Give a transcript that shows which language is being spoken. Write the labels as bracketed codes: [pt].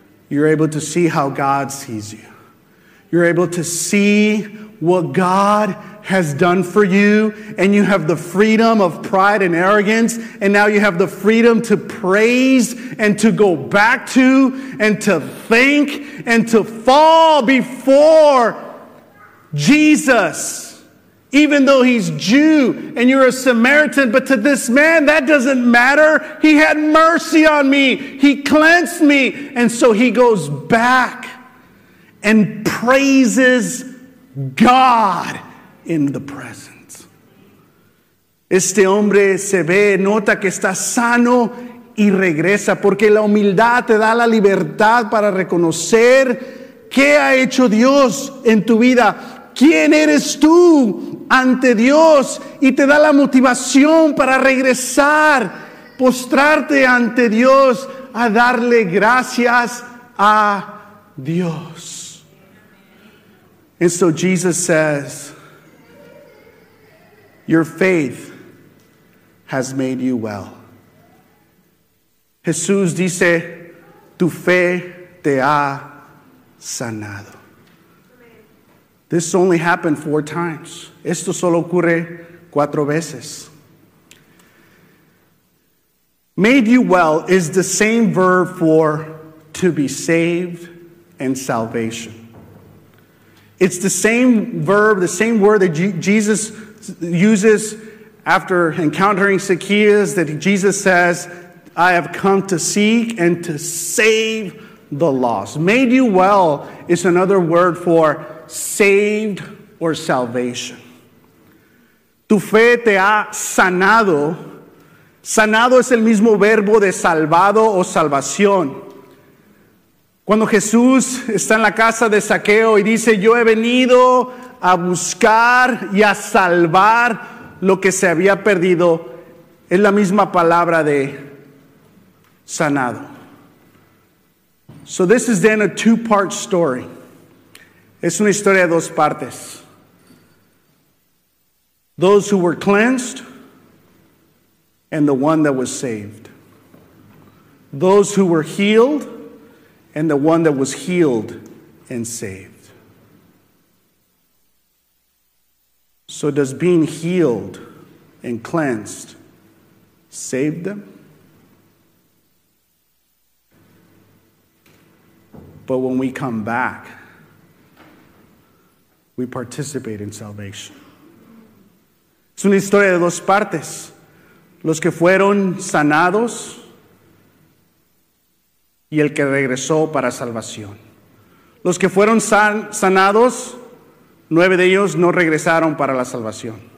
[en] You're able to see how God sees you. You're able to see what God has done for you, and you have the freedom of pride and arrogance, and now you have the freedom to praise and to go back to and to think and to fall before Jesus, even though he's Jew and you're a Samaritan, but to this man, that doesn't matter. He had mercy on me. He cleansed me. And so he goes back and praises God in the presence. [es] Este hombre se ve, nota que está sano y regresa, porque la humildad te da la libertad para reconocer qué ha hecho Dios en tu vida. ¿Quién eres tú ante Dios? Y te da la motivación para regresar, postrarte ante Dios, a darle gracias a Dios. [en] And so Jesus says, your faith has made you well. [es] Jesús dice, tu fe te ha sanado. [en] This only happened 4 times. [es] Esto solo ocurre 4 veces. [en] Made you well is the same verb for to be saved and salvation. It's the same verb, the same word that Jesus uses after encountering Zacchaeus, that Jesus says, I have come to seek and to save the lost. Made you well is another word for saved or salvation. [es] Tu fe te ha sanado. Sanado es el mismo verbo de salvado o salvación. Cuando Jesús está en la casa de Zaqueo y dice, yo he venido a buscar y a salvar lo que se había perdido, es la misma palabra de sanado. [en] So this is then a 2-part story. [es] Es una historia de dos partes. [en] Those who were cleansed and the one that was saved. Those who were healed and the one that was healed and saved. So does being healed and cleansed save them? But when we come back, we participate in salvation. [es] Es una historia de dos partes. Los que fueron sanados y el que regresó para salvación. Los que fueron sanados, nueve de ellos no regresaron para la salvación.